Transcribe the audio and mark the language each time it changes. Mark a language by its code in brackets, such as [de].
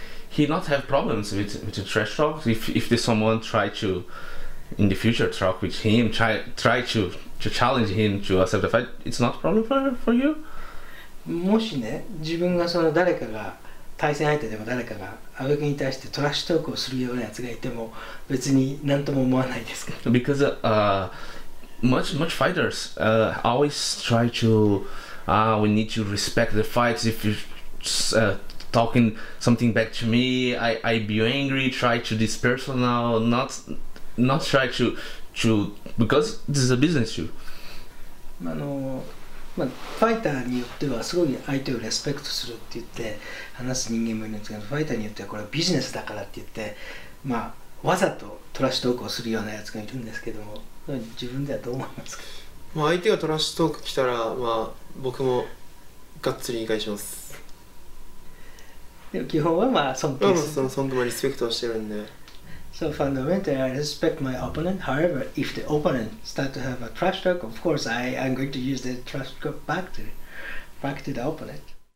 [en] He not have problems with the trash talk. If someone try to in the future talk with him, try to challenge him to accept the fight, it's not a problem for you? [ja] もしね、自分がその誰かが対戦相手でも、誰かが阿部君に対してトラッシュトークをするようなやつがいても別に何とも思わないですけど。 [en] Because much fighters always try to we need to respect the fights. If you're talking something back to me, I be angry, try to dispersonal, not try to because this is a business too. [ja] まあ、ファイターによってはすごい相手をリスペクトするって言って話す人間もいるんですけど、ファイターによってはこれはビジネスだからって言って、まあ、わざとトラッシュトークをするようなやつがいるんですけども、自分ではどう思いますか？まあ、相手がトラッシュトーク来たら、まあ、僕もがっつり言い返します。でも基本はまあ尊敬する、その尊敬もリスペクトしてるんで。 [en] So fundamentally, I respect my opponent. However, if the opponent start to have a trash talk, of course, I'm going to use the trash talk back to the opponent.